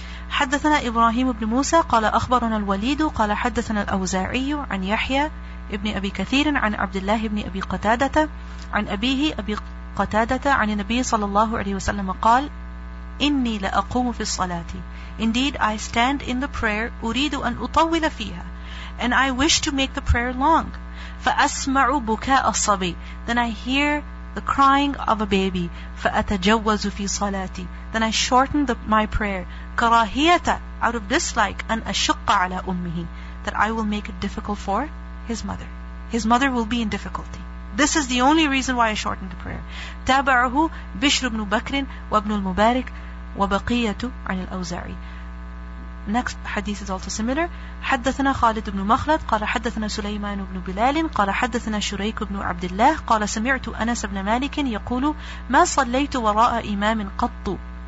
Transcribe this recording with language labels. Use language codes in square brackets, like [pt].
[ar] حدثنا إبراهيم بن موسى قال أخبرنا الوليد قال حدثنا الأوزاعي عن يحيى ابن أبي كثير عن عبد الله بن أبي قتادة عن أبيه أبي قتادة عن النبي صلى الله عليه وسلم قال إني لأقوم في الصلاة. [en] Indeed, I stand in the prayer. [ar] أريد أن أطول فيها. [en] And I wish to make the prayer long. [ar] فأسمع بكاء الصبي. [en] Then I hear the crying of a baby. [ar] فأتجوز في صلاتي. [en] Then I shorten my prayer. [ar] كراهية, [en] out of dislike. [ar] أن أشق على أمه. [en] That I will make it difficult for his mother. His mother will be in difficulty. This is the only reason why I shortened the prayer. [ar] تابعه بشر بن بكر وابن المبارك وبقية عن الأوزاعي. [en] Next hadith is also similar. [ar] حدثنا خالد بن مخلد قال حدثنا سليمان بن بلال قال حدثنا شريك بن عبد الله قال سمعت أنس بن مالك يقول ما صليت وراء إمام قط.